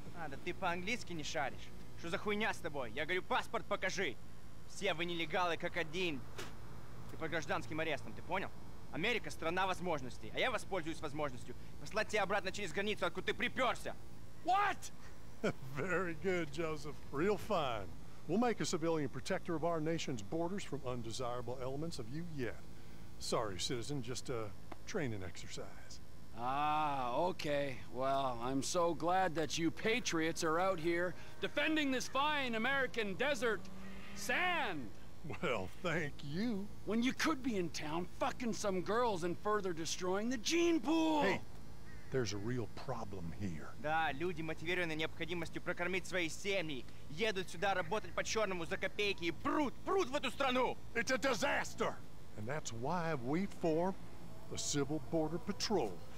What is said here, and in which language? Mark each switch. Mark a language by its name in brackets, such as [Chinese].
[Russian] А, да ты по-английски не шаришь? Что за хуйня с тобой? Я говорю, паспорт покажи. Все вы нелегалы как один. Ты по гражданским арестам, ты понял? Америка — страна возможностей, а я воспользуюсь возможностью послать тебя обратно через границу, откуда ты приперся. [English] What? Very good, Joseph. Real fine. We'll make a civilian protector of our nation's borders from undesirable elements of you yet. Sorry, citizen, just a training exercise. Ah, okay. Well, I'm so glad that you patriots are out here defending this fine American desert sand. Well, thank you. When you could be in town fucking some girls and further destroying the gene pool. Hey, there's a real problem here. [Russian] Да, люди, мотивированные необходимостью прокормить свои семьи, едут сюда работать по черному за копейки и прут в эту страну. [English] It's a disaster. And that's why we form the Civil Border Patrol.